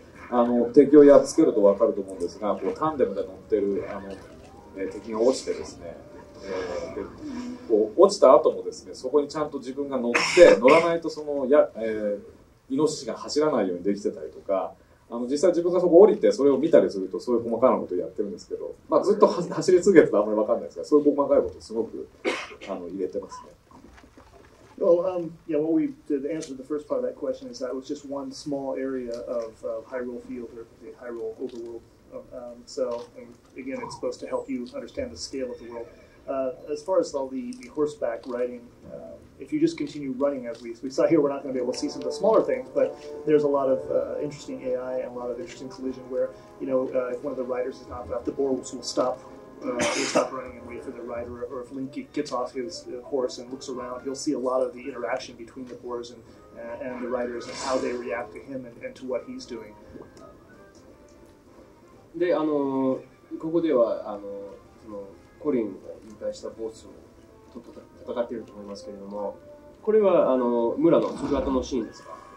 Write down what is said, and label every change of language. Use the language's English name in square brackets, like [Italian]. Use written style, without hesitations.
[Japanese] これ敵をやっつけると分かると思うんですが、こうタンデムで乗ってる敵が落ちてですね、でこう落ちた後もですね、そこにちゃんと自分が乗って乗らないとそのイノシシが走らないようにできてたりとか、実際自分がそこ降りてそれを見たりするとそういう細かなことをやってるんですけど、ずっと走り続けてたらあんまり分かんないですが、そういう細かいことをすごく入れてますね。 [English] Well, yeah. What we to answer the first part of that question is that it was just one small area of Hyrule Field or the Hyrule Overworld. And again, it's supposed to help you understand the scale of the world. As far as all the horseback riding, if you just continue running as we saw here, we're not going to be able to see some of the smaller things. But there's a lot of interesting AI and a lot of interesting collision where if one of the riders is knocked off, the boar will stop. He'll stop running and wait for the rider, or if Link gets off his horse and looks around, he'll see a lot of the interaction between the boars and the riders and how they react to him and to what he's doing. [Japanese] で、ここでは、コリンに対したボスと戦っていると思いますけれども、これは、村の姿のシーンですか？